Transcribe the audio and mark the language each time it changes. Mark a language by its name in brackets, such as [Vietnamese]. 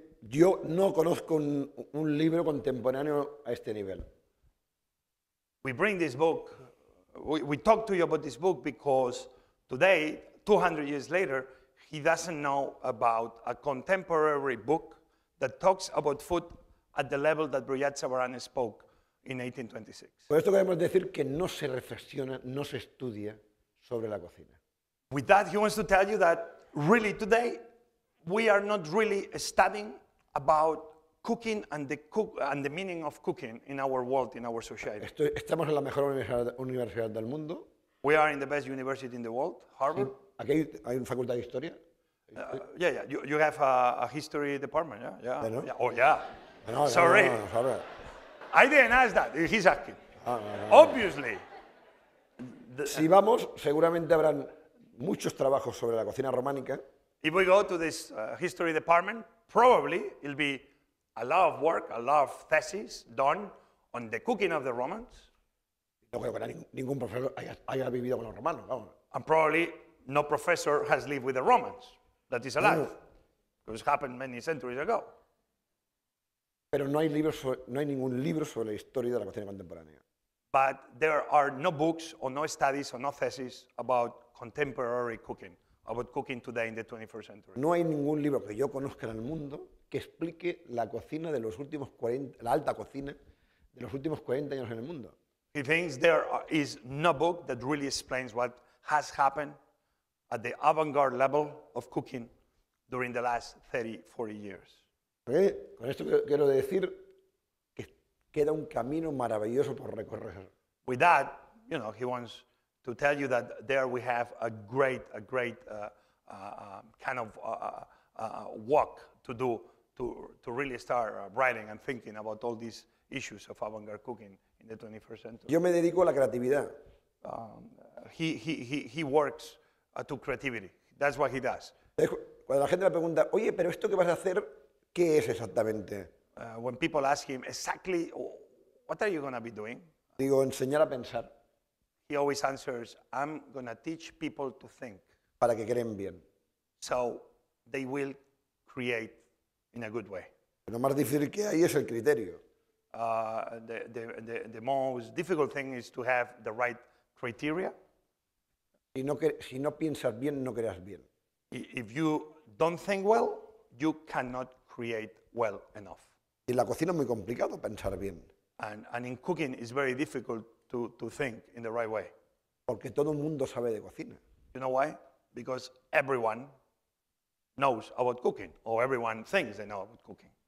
[Spanish] Yo no conozco un libro contemporáneo a este nivel. [English] We bring this book, we talk to you about this book because today, 200 years later, he doesn't know about a contemporary book that talks about food at the level that Brillat Savarin spoke in 1826. [Spanish] Por esto queremos decir que no se reflexiona, no se estudia sobre la cocina. [English] With that, he wants to tell you that really today, we are not really studying about cooking and the cook and the meaning of cooking in our world, in our society. [Spanish] Estamos en la mejor universidad del mundo. [English] We are in the best university in the world, Harvard. [Spanish] Sí. Aquí hay una facultad de historia. [English] You have a history department, yeah? Yeah. [Spanish] Bueno. [English] Yeah. Oh, yeah. [Spanish] Bueno, [English] sorry. No. I didn't ask that. He's asking. No. Obviously. [Spanish] Si vamos, seguramente habrán muchos trabajos sobre la cocina románica. [English] If we go to this history department, probably it'll be a lot of work, a lot of theses done on the cooking of the Romans. [Spanish] No creo que ningún profesor haya vivido con los romanos, vamos. [English] And probably no professor has lived with the Romans. That is a lie. No. It happened many centuries ago. [Spanish] Pero no hay ningún libro sobre la historia de la cocina contemporánea. [English] But there are no books or no studies or no theses about contemporary cooking. About cooking today in the 21st century. [Spanish] No hay ningún libro que yo conozca en el mundo que explique la cocina de los últimos 40, la alta cocina de los últimos 40 años en el mundo. [English] He thinks there is no book that really explains what has happened at the avant-garde level of cooking during the last 30, 40 years. [Spanish] Con esto quiero decir que queda un camino maravilloso por recorrer. [English] With that, you know, he wants to tell you that there we have a great walk to do to really start writing and thinking about all these issues of avant-garde cooking in the 21st century. [Spanish] Yo me dedico a la creatividad. [English] He works to creativity. That's what he does. [Spanish] Cuando la gente le pregunta, oye, pero esto que vas a hacer, ¿qué es exactamente? [English] When people ask him exactly, what are you going to be doing? [Spanish] Digo, enseñar a pensar. [English] He always answers, I'm going to teach people to think. [Spanish] Para que creen bien. [English] So they will create in a good way. [Spanish] Lo más difícil que hay es el criterio. [English] The most difficult thing is to have the right criteria. [Spanish] Si no piensas bien, no creas bien. [English] If you don't think well, you cannot create well enough. [Spanish] Y la cocina es muy complicado pensar bien. [English] And in cooking, it's very difficult to think in the right way. [Spanish] Porque todo el mundo sabe de cocina. [English] You know why? Because everyone knows about cooking, or everyone thinks they know about cooking.